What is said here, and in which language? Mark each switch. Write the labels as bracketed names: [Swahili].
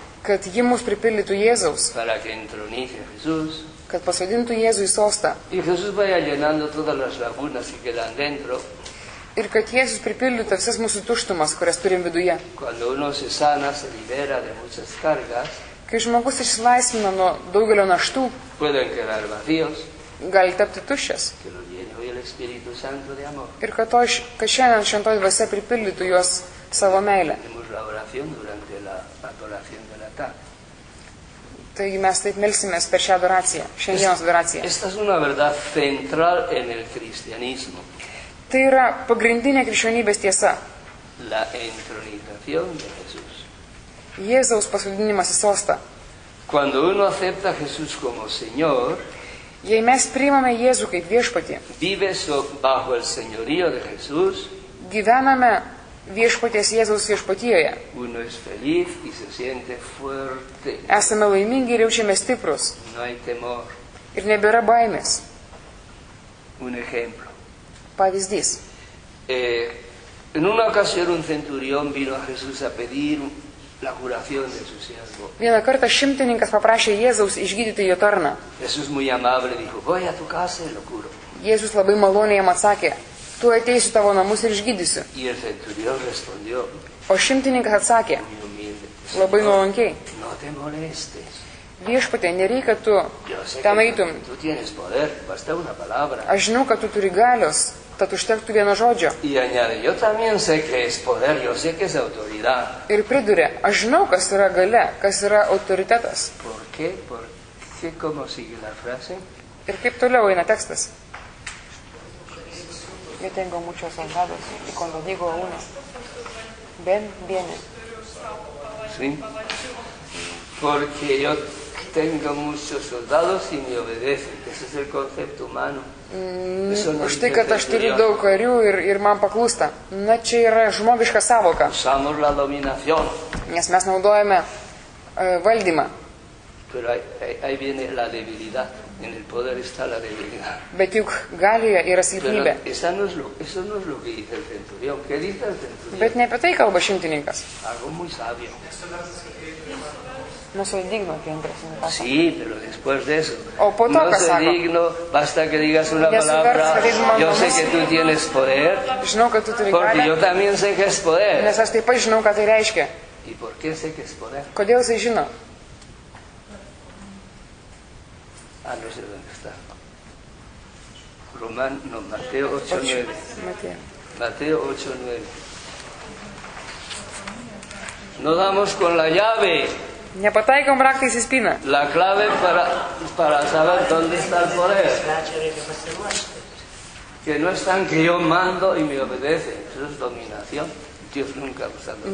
[Lithuanian] Kad ji mus pripildytų Jėzaus. [Spanish] Para que entronice Jesús. [Lithuanian] Kad pasodintų Jėzų į sostą. [Spanish] Y Jesús vaya llenando todas las lagunas que quedan dentro. [Lithuanian] Ir kad Jėzus pripildytų visas mūsų tuštumas, kurias turim viduje. [Spanish] Cuando uno se sana, se libera de muchas cargas. [Lithuanian] Kai žmogus išsilaisvina nuo daugelio naštų. [Spanish] Pueden quedar vacíos. [Lithuanian] Gali tapti tuščias. [Spanish] Que lo llene hoy el Espíritu Santo de amor. [Lithuanian] Ir kad šiandien šventoji dvasia pripildytų juos savo meilę. [Spanish] Hemos la oración durante la adoración de la tarde. [Lithuanian] Taigi mes taip melsimės per šią adoraciją, šiandienos adoraciją. [Spanish] Esta es una verdad central en el cristianismo. [Lithuanian] Tai yra pagrindinė krikščionybės tiesa. [Spanish] La entronización de Jesús. [Lithuanian] Jėzaus pasodinimas į sostą. [Spanish] Cuando uno acepta a Jesús como Señor, [Lithuanian] jei mes priimame Jėzų kaip viešpatį, [Spanish] vive bajo el señorío de Jesús, [Lithuanian] gyvename viešpaties Jėzaus viešpatijoje. [Spanish] Uno es feliz y se siente fuerte. [Lithuanian] Esame laimingi ir jaučiame stiprus. [Spanish] No hay temor. [Lithuanian] Ir nebėra baimės. [Spanish] Un ejemplo. [Lithuanian] Pavyzdys. [Spanish] En una ocasión un centurión vino a Jesús a pedir la curación de su siervo. [Lithuanian] Vieną kartą šimtininkas paprašė Jėzaus išgydyti jo tarną. [Spanish] Jesús muy amable dijo, voy a tu casa y lo curo. [Lithuanian] Jėzus labai maloniai jam atsakė, tu ateisiu tavo namus ir išgydysiu. [Spanish] Y el centurión respondió, [Lithuanian] o šimtininkas atsakė, labai nuolankiai, [Spanish] no te molestes. [Lithuanian] Viešpatė, nereikia, kad tu ten eitum. [Spanish] Tu tienes poder, basta una palabra. [Lithuanian] Aš žinau, kad tu turi galios, tad užtektų vieno žodžio. [Spanish] Y añade, yo también sé que es poder, yo sé que es autoridad. [Lithuanian] Ir priduria, aš žinau, kas yra galia, kas yra autoritetas. [Spanish] ¿Por qué? ¿Por qué? ¿Cómo sigue la frase? [Lithuanian] Ir kaip toliau eina tekstas? [Spanish] Yo tengo muchos soldados, y cuando digo uno, ven, viene. Sí. Porque yo tengo muchos soldados y me obedecen. Ese es el concepto humano. [Lithuanian] Už tai, kad aš turiu daug karių ir man paklūsta. Na, čia yra žmogiška sąvoka. [Spanish] Usamos la dominación. [Lithuanian] Nes mes naudojame valdymą. [Spanish] Pero ahí viene la debilidad. En el poder está la debilidad. [Lithuanian] Bet juk galija yra silpnybė. [Spanish] Eso no es lo que dice el centurión. ¿Qué dice el centurión? [Lithuanian] Bet ne apie tai kalba šimtininkas. [Spanish] Algo muy sabio. No soy digno que entres en casa. Sí, pero después de eso. [Lithuanian] O po to, [Spanish] no [Lithuanian] ka, [Spanish] soy [Lithuanian] sako, [Spanish] digno, basta que digas una palabra. Yo sé que tú tienes poder. [Lithuanian] Žinau, kad tu turi galę. [Spanish] Porque yo también sé que es poder. [Lithuanian] Nes aš taip pat žinau, ką tai reiškia. [Spanish] ¿Y por qué sé que es poder? [Lithuanian] Kodėl jisai žino? [Spanish] Ah, no sé dónde está. Román, no, Mateo 8:9. Mateo. Mateo 8:9. No damos con la llave. [Lithuanian] Nepataikom raktais į spiną. [Spanish] La clave para saber dónde está el poder. Que no es tan que yo mando y me obedece. Eso es dominación. Dios nunca usa dominación.